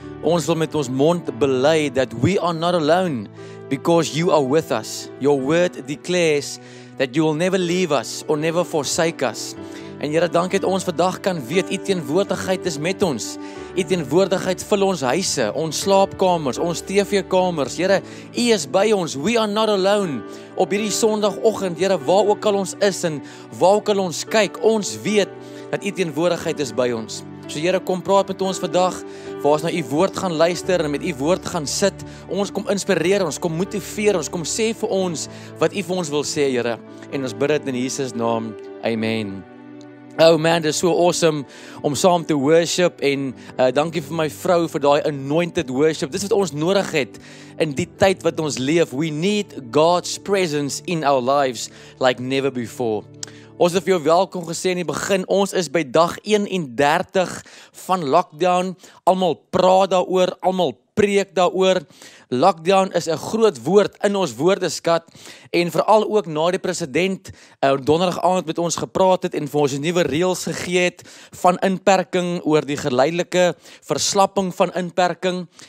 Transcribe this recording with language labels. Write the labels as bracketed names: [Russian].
[Afrikaans] Ons wil met ons mond bely [English] that we are not alone because You are with us. Your word declares that You will never leave us or never forsake us. [Afrikaans] En Here, dank het ons vandag kan weet U teenwoordigheid is met ons. U teenwoordigheid vul ons huise, ons slaapkamers, ons TV-kamers. Here, U is by ons. [English] We are not alone. [Afrikaans] Op hierdie Sondagoggend, Here, waar ook al ons is en waar ook al ons kyk, ons weet dat U teenwoordigheid is by ons. So Here, kom praat met ons vandag, waar ons na U woord gaan luister en met U woord gaan sit. Ons kom inspireer, ons kom motiveer, ons kom sê vir ons wat U vir ons wil sê, Here. En ons bid dit in Jesus naam. Amen. [English] Oh man, [Afrikaans] dit is so awesome om saam te worship en dankie vir my vrou vir daai anointed worship. Dis wat ons nodig het in die tyd wat ons leef. [English] We need God's presence in our lives like never before. [Afrikaans] Ons het vir jou welkom gesê in die begin. Ons is by dag 31 van lockdown. Almal praat daaroor, almal preek daaroor. Lockdown is 'n groot woord in ons woordeskat en veral ook na die president donderdag aand met ons gepraat het en vir ons nuwe reëls gegee het van inperking oor die geleidelike verslapping van inperking.